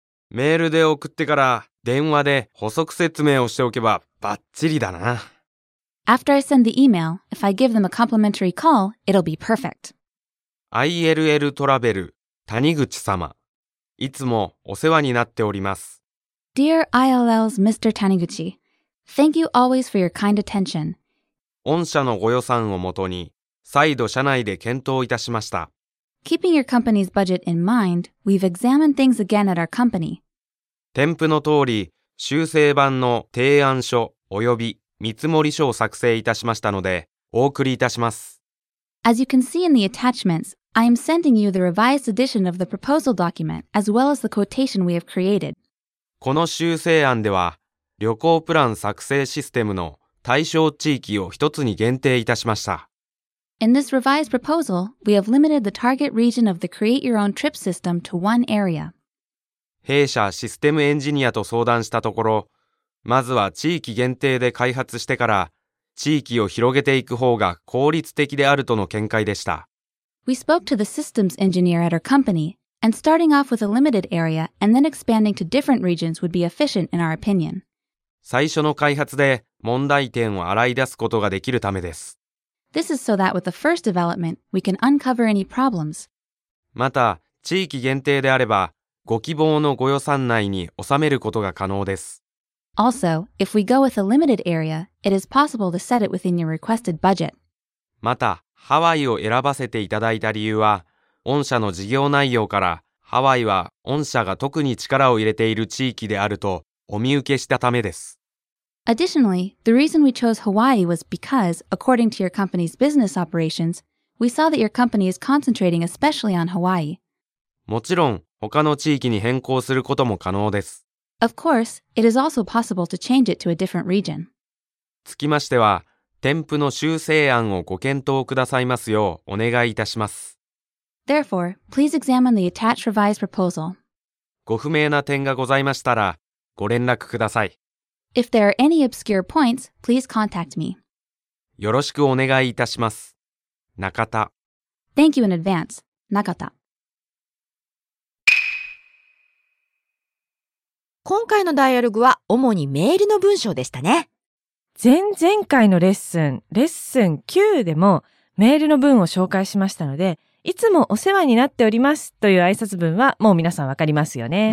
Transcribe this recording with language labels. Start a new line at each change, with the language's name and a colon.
Japanese: メールで送ってから電話で補足説明をしておけばバッチリだな。
English: After I send the email, if I give them a complimentary call, it'll be perfect.
Japanese: ILL トラベル、谷口様。いつもお世話になっております。
English: Dear ILL's Mr. Taniguchi, thank you always for your kind attention.
Japanese: 御社のご予算をもとに、再度社内で検討いたしました。
English: Keeping your company's budget in mind, we've examined things again at our company.
Japanese: 添付の通り、修正版の提案書及び見積書を作成いたしましたので、お送りいたします。
English: As you can see in the attachments, I am sending you the revised edition of the proposal document as well as the quotation we have created.
Japanese: この修正案では、旅行プラン作成システムの対象地域を一つに限定いたしました。
English: In this revised proposal, we have limited the target region of the Create Your Own Trip System to one area.
Japanese: 弊社システムエンジニアと相談したところ、まずは地域限定で開発してから地域を広げていく方が効率的であるとの見解でした。
English: We spoke to the systems engineer at our company, and starting off with a limited area and then expanding to different regions would be efficient in our opinion.
Japanese: 最初の開発で問題点を洗い出すことができるためです。
English: This is so that with the first development, we can uncover any problems.
Japanese: また、地域限定であれば、ご希望のご予算内に収めることが可能です。
English: Also, if we go with a limited area, it is possible to set it within your requested budget.
Japanese: また、ハワイを選ばせていただいた理由は、御社の事業内容から、ハワイは御社が特に力を入れている地域であるとお見受けしたためです。
English: Additionally, the reason we chose Hawaii was because, according to your company's business operations, we saw that your company is concentrating especially on Hawaii.
Japanese: もちろん、他の地域に変更することも可能です。
English: Of course, it is also possible to change it to a different region.
Japanese: つきましては、添付の修正案をご検討くださいますようお願いいたします。
English: Therefore, please examine the attached revised proposal.
Japanese: ご不明な点がございましたら、ご連絡ください。
English: If there are any obscure points, please contact me.
Japanese: よろしくお願いいたします。中田。
English: Thank you in advance. 中田。
Japanese: 今回のダイアログは主にメールの文章でしたね。前々回のレッスン9でもメールの文を紹介しましたので、いつもお世話になっておりますという挨拶文はもう皆さんわかりますよね。